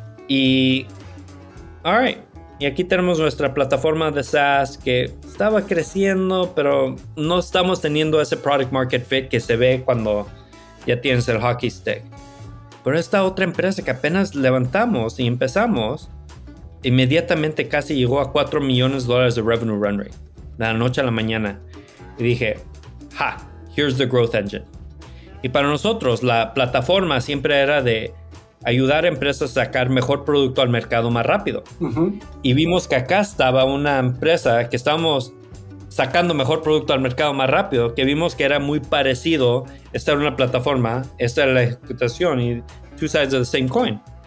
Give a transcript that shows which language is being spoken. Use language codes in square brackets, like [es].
[es] Y, all right. Y aquí tenemos nuestra plataforma de SaaS que estaba creciendo, pero no estamos teniendo ese product market fit que se ve cuando ya tienes el hockey stick. Pero esta otra empresa que apenas levantamos y empezamos, inmediatamente casi llegó a 4 millones de dólares de revenue run rate, de la noche a la mañana. Y dije, [en] ha, here's the growth engine. [es] Y para nosotros, la plataforma siempre era de ayudar a empresas a sacar mejor producto al mercado más rápido. Uh-huh. Y vimos que acá estaba una empresa que estábamos sacando mejor producto al mercado más rápido, que vimos que era muy parecido. Esta era una plataforma, esta era la ejecución, y [en] two sides of the same coin.